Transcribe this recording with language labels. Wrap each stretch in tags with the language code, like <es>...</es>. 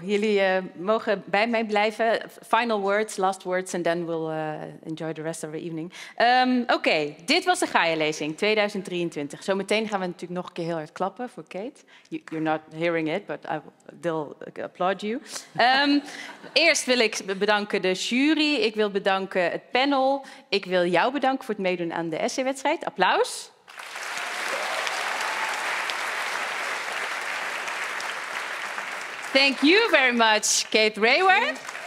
<nl>Jullie mogen bij mij blijven.</nl> <en>Final words, last words, and then we'll enjoy the rest of the evening.</en> <nl>Dit was de Gaia-lezing 2023. Zometeen gaan we natuurlijk nog een keer heel hard klappen voor Kate.</nl> <en>You're not hearing it, but they'll applaud you.</en> <nl>eerst wil ik bedanken de jury. Ik wil bedanken het panel. Ik wil jou bedanken voor het meedoen aan de essaywedstrijd. Applaus.</nl> <en>Thank you very much, Kate Raworth.</en>